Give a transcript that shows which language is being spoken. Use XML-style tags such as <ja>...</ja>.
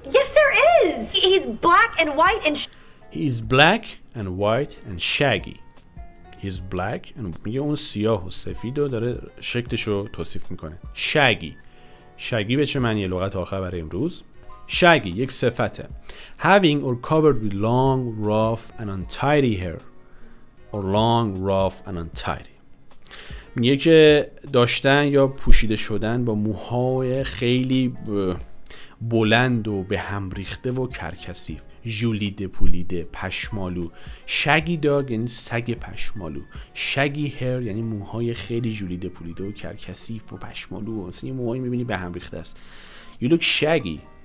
<en>Yes, there is. He's black and white and He's black and white and shaggy. He's black and</en> <fa>میگه اون سیاه و سفید و داره شکلش رو توصیف میکنه.</fa> <en>Shaggy.</en> <fa>Shaggy به چه معنیه لغت آخر برای امروز؟ Shaggy یک صفته.</fa> <en>Having or covered with long, rough and untidy hair. Or long, rough and untidy.</en> <fa>میگه که داشتن یا پوشیده شدن با موهای خیلی بلند و به هم ریخته و کرکسیف، جولی ده پولی ده پشمالو، شگی داگ یعنی سگ پشمالو، شگی هر یعنی موهای خیلی جولی ده پولی ده و کرکسیف و پشمالو، مثلا یه موهایی میبینی به هم ریخته است.</fa> <en>You look shaggy.</en>